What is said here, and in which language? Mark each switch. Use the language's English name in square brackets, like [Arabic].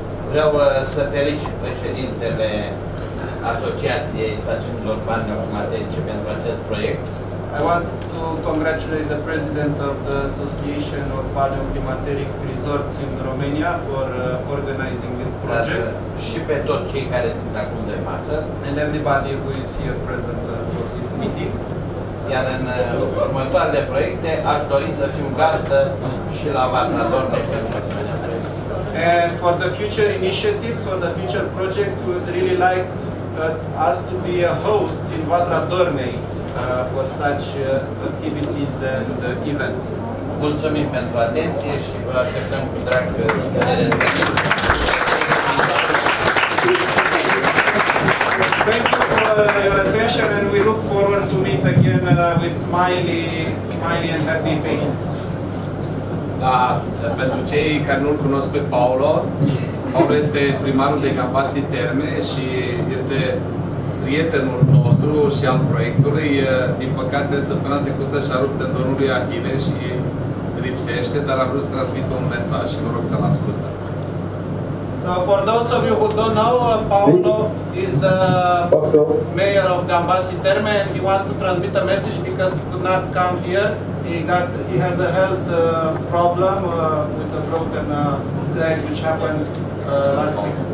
[Romanian] Vreau să felicit președintele Asociației Stațiunilor Balneoclimaterice pentru acest proiect. [English] I want to congratulate the president of the Association of Balneoclimateric Resorts in Romania for organizing this project. [Romanian] Și pe toți cei care sunt acum de față. [English] And everybody who is here present for this meeting. [Romanian] Iar în următoarele proiecte aș dori să fim gazdă și la Vatra Dornei pentru asemenea. [English] And for the future initiatives, for the future projects, we would really like us to be a host in Vatra Dornei for such activities and events. [Romanian] Mulțumim pentru atenție și vă așteptăm cu drag să ne revedem. [English] Thank you for your attention and we look forward to meet again with smiley and happy faces. [Romanian] Da, pentru cei care nu-l cunosc pe Paolo, Paolo este primarul de Campasii Terme și este prietenul nostru și al proiectului. Din păcate, săptămâna trecută și-a rupt tendonul lui Ahile și lipsește, dar a vrut să transmită un mesaj și vă rog să-l ascultă. Salut! [English] So for those of you who don't know, Paolo is the mayor of Gambassi Terme, and he wants to transmit a message because he could not come here. He has a health problem with a broken leg, which happened last week.